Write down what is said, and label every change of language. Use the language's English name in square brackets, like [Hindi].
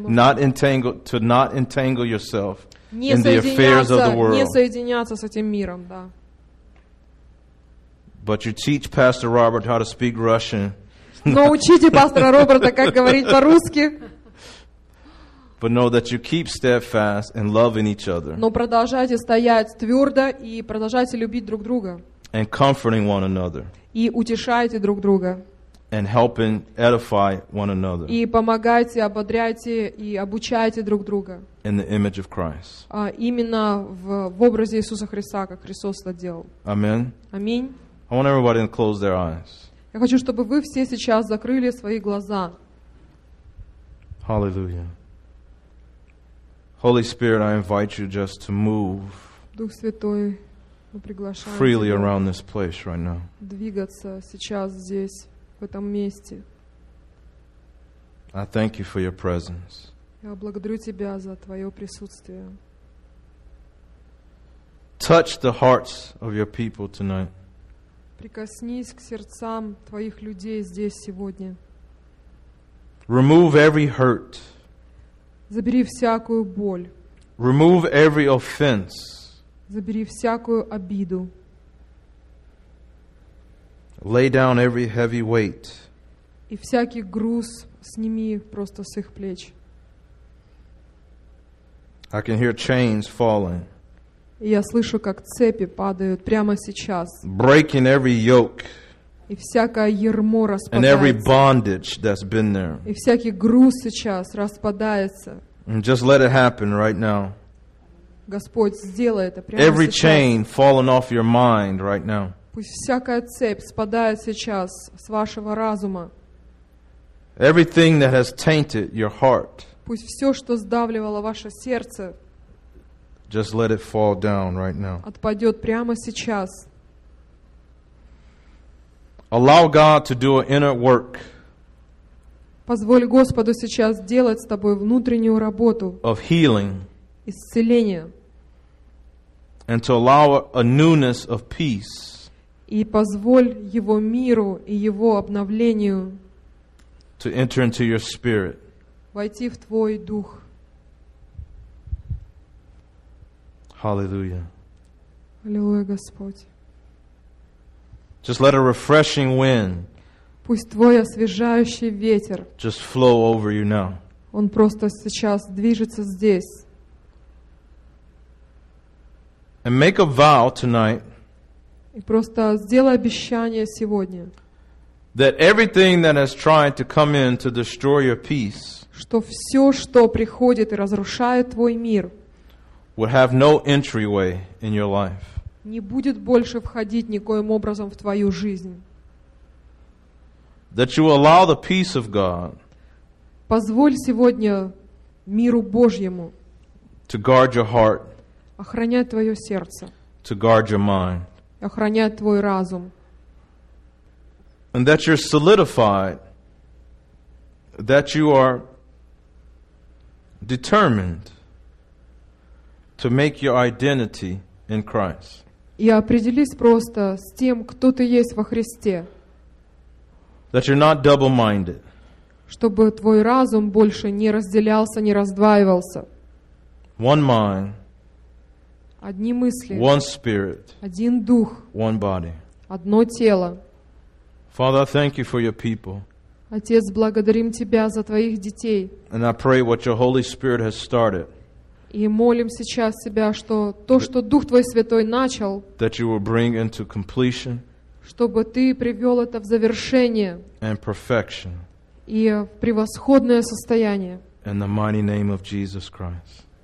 [English] To not entangle yourself in the affairs of the world. [Russian] Не соединяться с этим миром, да. [English] But you teach Pastor Robert how to speak Russian. [Russian] Но учите пастора Роберта, как говорить по-русски. [English] But know that you keep steadfast in loving each other. [Russian] Но продолжайте стоять твердо и продолжайте любить друг друга. [English] And comforting one another. [Russian] И утешайте друг друга. [English] And helping edify one another. [Russian] И помогайте, ободряйте и обучайте друг друга. [English] In the image of Christ. [Russian] Именно в образе Иисуса Христа, как Христос это делал. [English] Amen. [Russian] Аминь. [English] I want everybody to close their eyes. [Russian] Я хочу, чтобы вы все сейчас закрыли свои глаза. [English] Hallelujah. Holy Spirit, I invite you just to move. [Russian] Дух Святой, мы приглашаем. [English] Freely around this place right now. [Russian] Двигаться сейчас здесь. В этом месте. [English] I thank you for your presence. [Russian] Я благодарю тебя за твое присутствие. [English] Touch the hearts of your people tonight. [Russian] Прикоснись к сердцам твоих людей здесь сегодня. [English] Remove every hurt. [Russian] Забери всякую боль. [English] Remove every offense. [Russian] Забери всякую обиду. [English] Lay down every heavy weight. [Russian] И всякий груз сними просто с их плеч. [English] I can hear chains falling. [Russian] И я слышу, как цепи падают прямо сейчас. [English] Breaking every yoke. [Russian] И всякое ярмо распадается. [English] And every bondage that's been there. [Russian] И всякий груз сейчас распадается. [English] And just let it happen right now. [Russian] Господь, сделай это прямо сейчас. [English] Every chain falling off your mind right now. [Russian] Пусть всякая цепь спадает сейчас с вашего разума. [English] Everything that has tainted your heart. [Russian] Пусть все, что сдавливало ваше сердце, [English] just let it fall down right now. [Russian] Отпадет прямо сейчас. [English] Allow God to do an inner work. [Russian] Позволь Господу сейчас делать с тобой внутреннюю работу. [English] Of healing. [Russian] Исцеление. [English] And to allow a newness of peace. [Russian] И позволь Его миру и Его обновлению [English] to enter into your spirit. [Russian] Войти в твой дух. [English] Hallelujah. [Russian] Аллилуйя, Господь. [English] Just let a refreshing wind. [Russian] Пусть твой освежающий ветер. [English] Just flow over you now. [Russian] Он просто сейчас движется здесь. [English] And make a vow tonight. [Russian] И просто сделай обещание сегодня. [English] That everything that has tried to come in to destroy your peace. [Russian] Что все, что приходит и разрушает твой мир. [English] Would have no entryway in your life. [Russian] Не будет больше входить никоим образом в твою жизнь. [English] That you allow the peace of God. [Russian] Позволь сегодня миру Божьему. [English] To guard your heart. [Russian] Охранять твое сердце. [English] To guard your mind. [Russian] Охранять твой разум. [English] And that you're solidified. That you are determined. To make your identity in Christ. [Russian] И определись просто с тем, кто ты есть во Христе. [English] That you're not double-minded. [Russian] Чтобы твой разум больше не разделялся, не раздваивался. [English] One mind. [Russian] Одни мысли. [English] One spirit. [Russian] Один дух. [English] One body. [Russian] Одно тело. [English] Father, I thank you for your people. [Russian] Отец, благодарим тебя за твоих детей. [English] And I pray what your Holy Spirit has started. [Russian] И молим сейчас себя, что то, что Дух Твой Святой начал, [English] that you will bring into completion, [Russian] чтобы Ты привел это в завершение [English] and perfection, [Russian] и в превосходное состояние [English] in the mighty name of Jesus Christ.